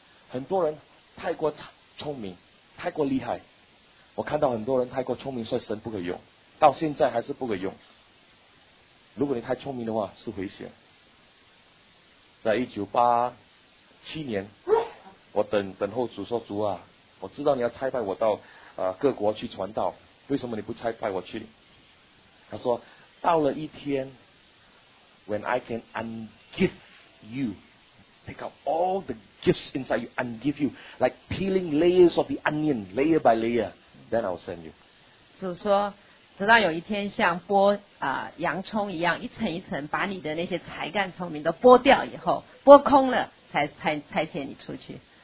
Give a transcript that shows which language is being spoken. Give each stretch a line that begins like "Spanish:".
Chinese: 很多人太过聪明，太过厉害，我看到很多人太过聪明，所以神不可用，到现在还是不可用。如果你太聪明的话是危险。在1987年，我等候主说，主啊，我知道你要差派我到各国去传道，为什么你不差派我去？他说，到了一天
English: ，when I can ungift you, pick up all the gifts inside you, ungift you, like peeling layers of the onion, layer by layer, then I'll send you.
Chinese: 主说，直到有一天像剥洋葱一样，一层一层把你的那些才干聪明都剥掉以后，剥空了才遣你出去。